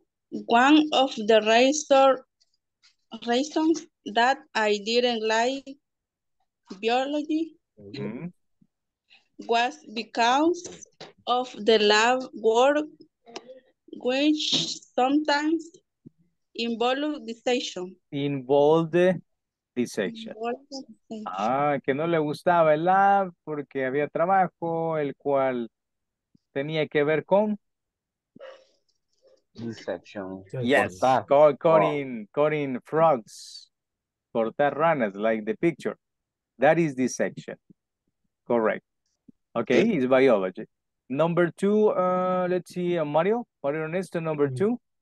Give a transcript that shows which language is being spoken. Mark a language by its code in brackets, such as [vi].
[en] One of the reasons that I didn't like biology. Mm-hmm. Was because of the lab work, which sometimes involved dissection. Involved dissection. [es] Ah, que no le gustaba el lab porque había trabajo el cual tenía que ver con [en] dissection. Yes, cutting, cutting frogs, [es] cortar ranas, [en] like the picture. That is dissection. Correct. Okay, it's biology. Number two, let's see, Mario. Mario Ernesto, number two.